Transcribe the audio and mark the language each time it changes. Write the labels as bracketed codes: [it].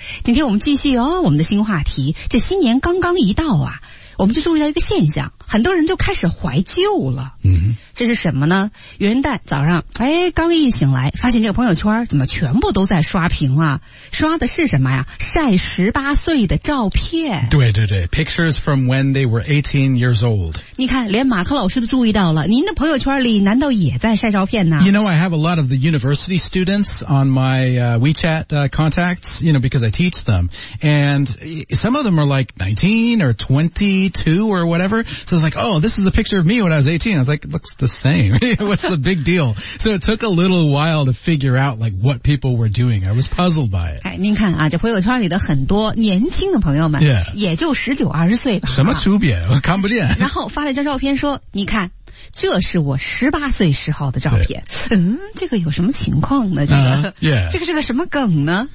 [zh] 今天我们继续哦，我们的新话题。这新年刚刚一到啊，我们就注意到一个现象，很多人就开始怀旧了。嗯，这是什么呢？元旦早上，哎，刚一醒来，发现这个朋友圈怎么全部都在刷屏啊？刷的是什么呀？晒18岁的照片。对对对 [en] ，pictures from when they were 18 years old。 [zh] 你看，连马克老师都注意到了，您的朋友圈里难道也在晒照片呢 [en] ？You know, I have a lot of the university students on my WeChat contacts. You know, because I teach them, and some of them are like 19 or 22 or whatever. So it's like, oh, this is a picture of me when I was 18. I was like, looks the same. What's the big deal? So it took a little while to figure out like what people were doing. I was puzzled by it. [zh] 哎，您看啊，这朋友圈里的很多年轻的朋友们，也就19、20岁吧。什么区别？我看不见。然后发了一张照片说，你看，这是我18岁时候的照片。嗯，这个有什么情况呢？这个这个是个什么梗呢？